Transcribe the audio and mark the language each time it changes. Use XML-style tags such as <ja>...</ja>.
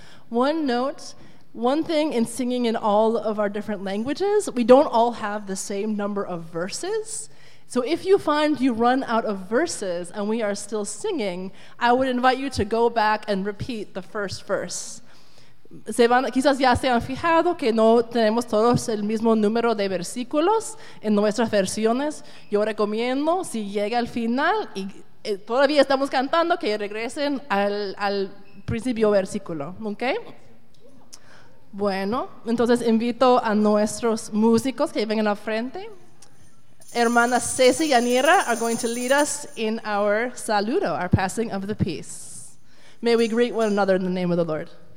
<en>One note, one thing in singing in all of our different languages, we don't all have the same number of verses. So if you find you run out of verses and we are still singing, I would invite you to go back and repeat the first verse.</en> <es>Se van, quizás ya se han fijado que no tenemos todos el mismo número de versículos en nuestras versiones. Yo recomiendo, si llega al final y todavía estamos cantando, que regresen al principio versículo, ¿ok? Bueno, entonces invito a nuestros músicos que vengan al frente.</es> <en>Hermanas Ceci y Anira are going to lead us in our saludo, our passing of the peace. May we greet one another in the name of the Lord.</en>